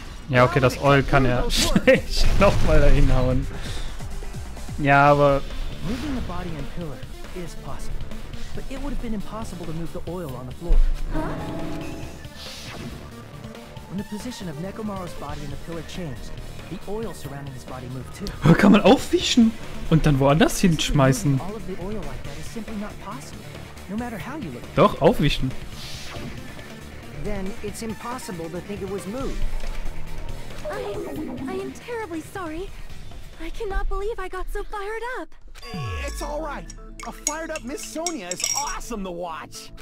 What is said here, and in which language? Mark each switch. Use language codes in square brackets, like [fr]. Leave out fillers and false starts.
[de] Ja, okay, das Eul kann er noch mal dahin hauen. Ja, aber. [en] Moving the body and pillar is possible, but it would have been impossible to move the oil on the floor. Huh? When the position of Nekomaru's body and the pillar changed. The oil surrounding his body moved too. [de] Oh, kann man aufwischen und dann woanders hinschmeißen? [en] All of the oil like that is simply not possible, no matter how you look. [de] Doch, aufwischen. [en] Then it's impossible to think it was moved. I am terribly sorry. I cannot believe I got so fired up. It's all right. A fired up Miss Sonia is awesome to watch.